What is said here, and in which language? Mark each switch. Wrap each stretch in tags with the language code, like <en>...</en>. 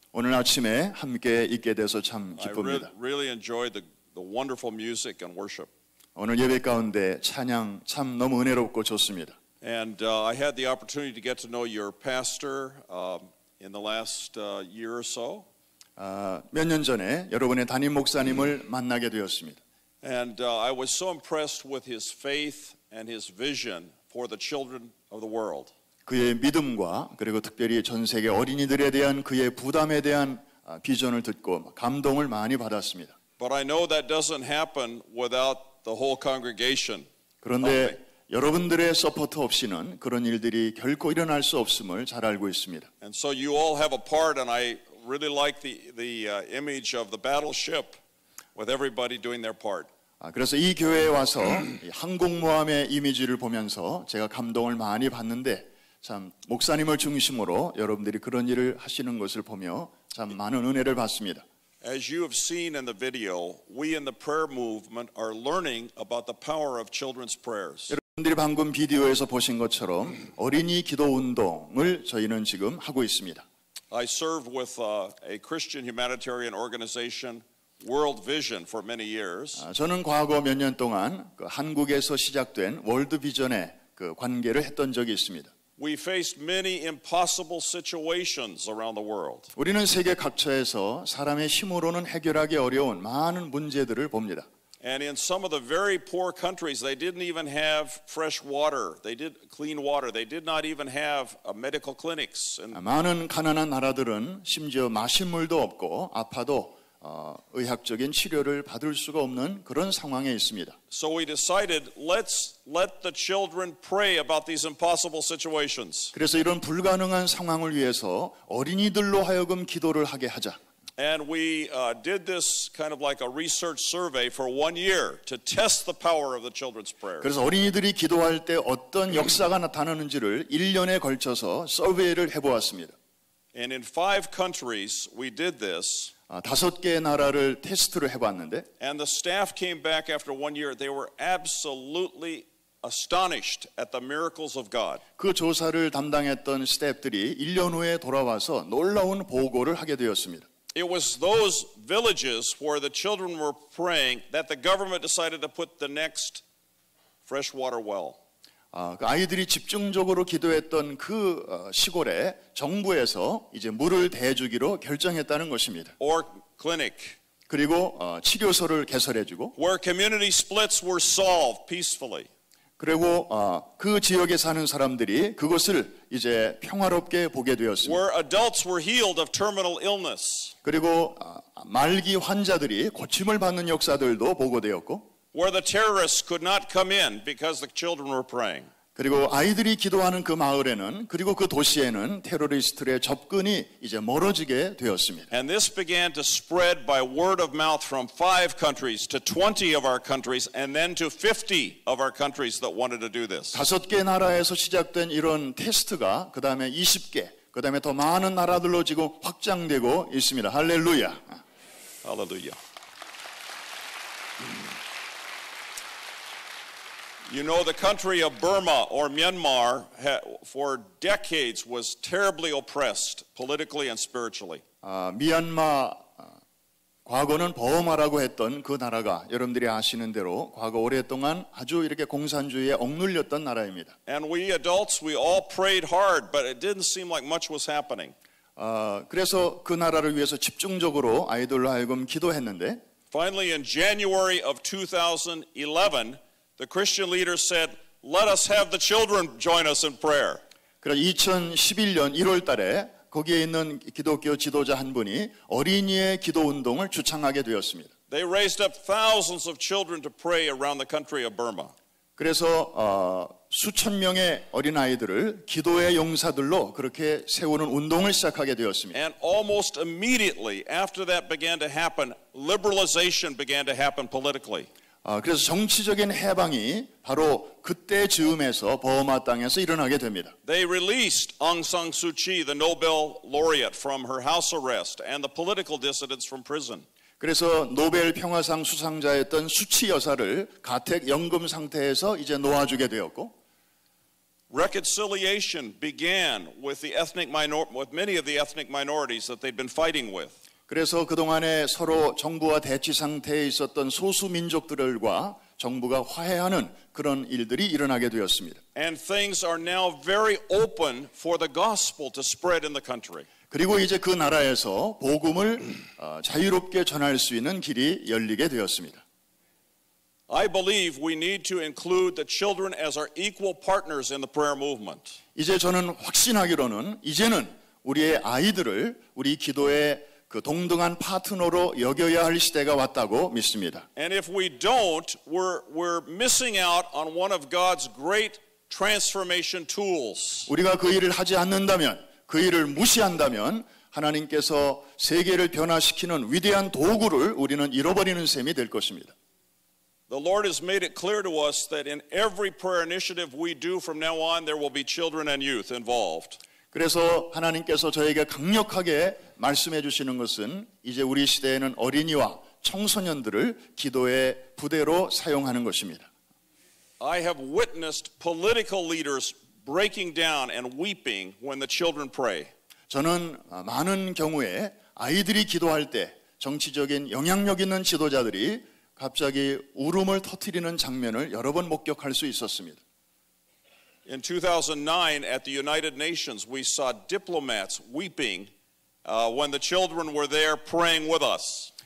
<ko>오늘 아침에 함께 있게 돼서 참 기쁩니다.</ko> <en>I really enjoyed the wonderful music and worship.</en> <ko>오늘 예배 가운데 찬양 참 너무 은혜롭고 좋습니다.</ko> <en>And I had the opportunity to get to know your pastor in the last year or so.</en> <ko>몇 년 전에 여러분의 담임 목사님을 만나게 되었습니다.</ko> <en>And I was so impressed with his faith and his vision for the children of the world.</en> <ko>그의 믿음과 그리고 특별히 전 세계 어린이들에 대한 그의 부담에 대한 비전을 듣고 감동을 많이 받았습니다.</ko> <en>But I know that doesn't happen without the whole congregation.</en> <ko>그런데 여러분들의 서포트 없이는 그런 일들이 결코 일어날 수 없음을 잘 알고 있습니다.</ko> <en>And so you all have a part, and I really like the image of the battleship with everybody doing their part.</en> <ko>그래서 이 교회에 와서 항공모함의 이미지를 보면서 제가 감동을 많이 받는데, 참 목사님을 중심으로 여러분들이 그런 일을 하시는 것을 보며 참 많은 은혜를 받습니다.</ko> <en>As you have seen in the video, we in the prayer movement are learning about the power of children's prayers.</en> <ko>여러분들이 방금 비디오에서 보신 것처럼 어린이 기도 운동을 저희는 지금 하고 있습니다.</ko> <en>I served with a Christian humanitarian organization, World Vision, for many years.</en> <ko>저는 과거 몇 년 동안 그 한국에서 시작된 월드 비전에 그 관계를 했던 적이 있습니다.</ko> <en>We faced many impossible situations around the world.</en> <ko>우리는 세계 각처에서 사람의 힘으로는 해결하기 어려운 많은 문제들을 봅니다.</ko> <en>And in some of the very poor countries, they didn't even have fresh water. They did clean water. They did not even have medical clinics.</en> <ko>많은 가난한 나라들은 심지어 마실 물도 없고 아파도 의학적인 치료를 받을 수가 없는 그런 상황에 있습니다.</ko> <en>So we decided, let's let the children pray about these impossible situations.</en> <ko>그래서 이런 불가능한 상황을 위해서 어린이들로 하여금 기도를 하게 하자.</ko> <en>And we did this kind of like a research survey for one year to test the power of the children's prayer.</en> <ko>그래서 어린이들이 기도할 때 어떤 역사가 나타나는지를 1년에 걸쳐서 서베이를 해보았습니다.</ko> <en>And in five countries, we did this.</en> <ko>다섯 개의 나라를 테스트를 해봤는데,</ko> <en>and the staff came back after one year. They were absolutely astonished at the miracles of God.</en> <ko>그 조사를 담당했던 스태프들이 1년 후에 돌아와서 놀라운 보고를 하게 되었습니다.</ko> <en>It was those villages where the children were praying that the government decided to put the next freshwater well.</en> <ko>그 아이들이 집중적으로 기도했던 그 시골에 정부에서 이제 물을 대주기로 결정했다는 것입니다.</ko> <en>Or clinic.</en> <ko>그리고 치료소를 개설해주고.</ko> <en>Where community splits were solved peacefully.</en> <ko>그리고 그 지역에 사는 사람들이 그것을 이제 평화롭게 보게 되었습니다.</ko> <en>Where adults were healed of terminal illness.</en> <ko>그리고 말기 환자들이 고침을 받는 역사들도 보고되었고.</ko> <en>Where the terrorists could not come in because the children were praying.</en> <ko>그리고 아이들이 기도하는 그 마을에는 그리고 그 도시에는 테러리스트들의 접근이 이제 멀어지게 되었습니다.</ko> <en>And this began to spread by word of mouth from 5 countries to 20 of our countries and then to 50 of our countries that wanted to do this.</en> <ko>다섯 개 나라에서 시작된 이런 테스트가 그다음에 20개, 그다음에 더 많은 나라들로 지금 확장되고 있습니다. 할렐루야. 할렐루야.</ko> <en>You know, the country of Burma or Myanmar for decades was terribly oppressed politically and spiritually.</en> <ko>미얀마 과거는 버마라고 했던 그 나라가 여러분들이 아시는 대로 과거 오랫동안 아주 이렇게 공산주의에 억눌렸던 나라입니다.</ko> <en>And we adults, we all prayed hard, but it didn't seem like much was happening.</en> <ko>그래서 그 나라를 위해서 집중적으로 아이돌로 하여금 기도했는데</ko> <en>Finally, in January of 2011, The Christian leaders said, "Let us have the children join us in prayer."</en> <ko>그래서 2011년 1월 달에 거기에 있는 기독교 지도자 한 분이 어린이의 기도 운동을 주창하게 되었습니다.</ko> <en>They raised up thousands of children to pray around the country of Burma.</en> <ko>그래서 수천 명의 어린 아이들을 기도의 용사들로 그렇게 세우는 운동을 시작하게 되었습니다.</ko> <en>And almost immediately after that began to happen, liberalization began to happen politically.</en> <ko>그래서 정치적인 해방이 바로 그때 즈음에서 버마 땅에서 일어나게 됩니다.</ko> <en>They released Aung San Suu Kyi, the Nobel laureate, from her house arrest and the political dissidents from prison.</en> <ko>그래서 노벨 평화상 수상자였던 수치 여사를 가택 연금 상태에서 이제 놓아주게 되었고.</ko> <en>Reconciliation began with the ethnic minor with many of the ethnic minorities that they'd been fighting with.</en> <ko>그래서 그동안에 서로 정부와 대치 상태에 있었던 소수 민족들과 정부가 화해하는 그런 일들이 일어나게 되었습니다.</ko> <en>And things are now very open for the gospel to spread in the country.</en> <ko>그리고 이제 그 나라에서 복음을 자유롭게 전할 수 있는 길이 열리게 되었습니다.</ko> <en>I believe we need to include the children as our equal partners in the prayer movement.</en> <ko>이제 저는 확신하기로는 이제는 우리의 아이들을 우리 기도에 그 동등한 파트너로 여겨야 할 시대가 왔다고 믿습니다.</ko> <en>And if we don't, we're missing out on one of God's great transformation tools.</en> <ko>우리가 그 일을 하지 않는다면, 그 일을 무시한다면 하나님께서 세계를 변화시키는 위대한 도구를 우리는 잃어버리는 셈이 될 것입니다.</ko> <en>The Lord has made it clear to us that in every prayer initiative we do from now on there will be children and youth involved.</en> <ko>그래서 하나님께서 저에게 강력하게 말씀해 주시는 것은 이제 우리 시대에는 어린이와 청소년들을 기도의 부대로 사용하는 것입니다.</ko> <en>I have witnessed political leaders breaking down and weeping when the children pray.</en> <ko>저는 많은 경우에 아이들이 기도할 때 정치적인 영향력 있는 지도자들이 갑자기 울음을 터뜨리는 장면을 여러 번 목격할 수 있었습니다.</ko> <en>In 2009, at the United Nations, we saw diplomats weeping when the children were there praying with us.</en>